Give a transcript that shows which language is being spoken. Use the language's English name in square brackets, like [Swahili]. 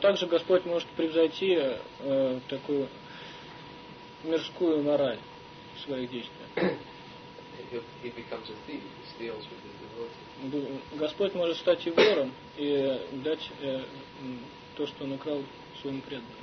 [Russian] Также Господь может превзойти такую мирскую мораль своих действий. [English] He becomes a thief, he steals with his devotee. [Russian] Господь может стать и вором и дать то, что он украл своему преданному.